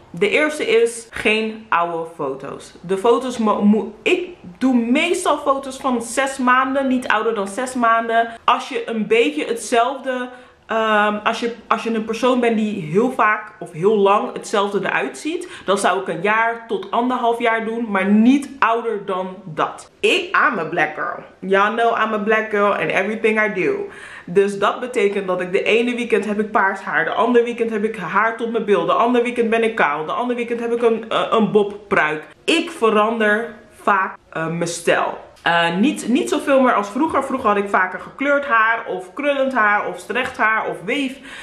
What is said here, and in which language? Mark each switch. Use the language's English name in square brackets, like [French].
[Dutch] De eerste is geen oude foto's. De foto's ik doe meestal foto's van 6 maanden, niet ouder dan 6 maanden. Als je een beetje hetzelfde, als je een persoon bent die heel vaak of heel lang hetzelfde eruit ziet, dan zou ik 1 jaar tot 1,5 jaar doen, maar niet ouder dan dat. [English] I'm a black girl. Y'all know I'm a black girl and everything I do. [Dutch] Dus dat betekent dat ik de ene weekend heb ik paars haar, de andere weekend heb ik haar tot mijn bil, de andere weekend ben ik kaal, de andere weekend heb ik een bobpruik. Ik verander vaak mijn stijl. Niet zoveel meer als vroeger. Vroeger had ik vaker gekleurd haar of krullend haar of strecht haar of weef.